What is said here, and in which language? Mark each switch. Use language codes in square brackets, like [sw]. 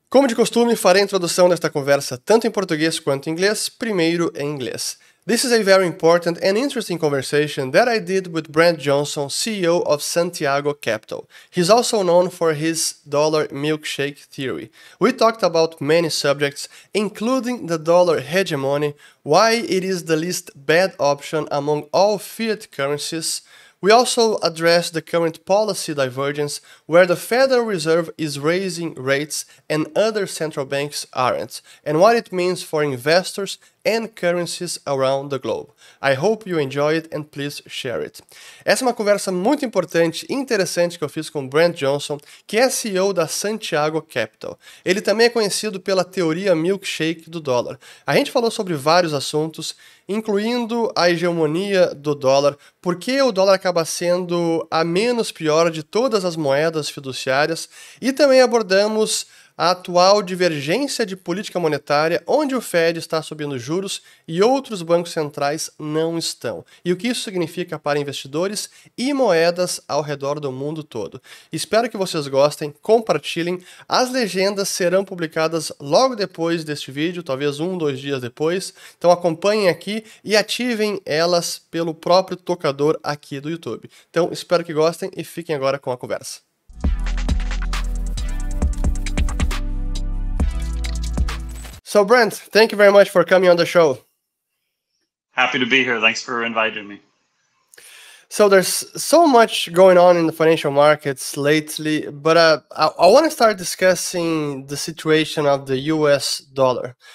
[pt] Como de costume, farei a introdução desta conversa tanto em português quanto em inglês, primeiro em inglês. [en] This is a very important and interesting conversation that I did with Brent Johnson, CEO of Santiago Capital. He's also known for his dollar milkshake theory. We talked about many subjects, including the dollar hegemony, why it is the least bad option among all fiat currencies. We also address the current policy divergence, where the Federal Reserve is raising rates and other central banks aren't, and what it means for investors and currencies around the globe. I hope you enjoy it and please share it. [pt] Essa é uma conversa muito importante e interessante que eu fiz com Brent Johnson, que é CEO da Santiago Capital. Ele também é conhecido pela teoria milkshake do dólar. A gente falou sobre vários assuntos, incluindo a hegemonia do dólar, por que o dólar acaba sendo a menos pior de todas as moedas fiduciárias, e também abordamos a atual divergência de política monetária, onde o Fed está subindo juros e outros bancos centrais não estão. E o que isso significa para investidores e moedas ao redor do mundo todo. Espero que vocês gostem, compartilhem. As legendas serão publicadas logo depois deste vídeo, talvez um, dois dias depois. Então acompanhem aqui e ativem elas pelo próprio tocador aqui do YouTube. Então espero que gostem e fiquem agora com a conversa. [en] So, Brent, thank you very much for coming on the show. Happy to be here. Thanks for inviting me. So there's so much going on in the financial markets lately, but I want to start discussing the situation of the US dollar.